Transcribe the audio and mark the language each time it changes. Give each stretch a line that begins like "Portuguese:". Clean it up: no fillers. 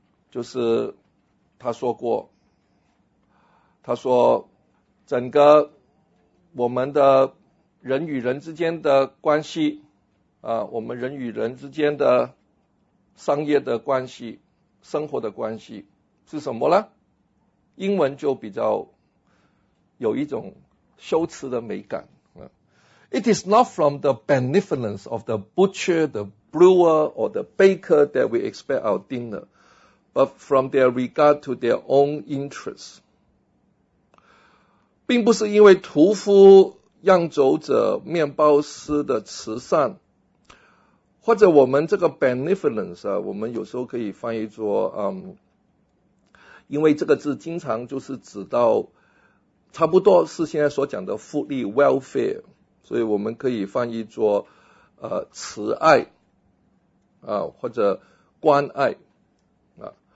Chinese: 就是他说过，他说整个我们的人与人之间的关系啊，我们人与人之间的商业的关系、生活的关系是什么呢？英文就比较有一种羞耻的美感。
English: It is not from the benevolence of the butcher, the brewer, or the baker that we expect our dinner, but from their regard to their own interests.
Chinese: 并不是因为屠夫、酿酒者、面包师的慈善，或者我们这个 benevolence 啊，我们有时候可以翻译作因为这个字经常就是指到差不多是现在所讲的福利 welfare， 所以我们可以翻译作慈爱啊，或者关爱啊。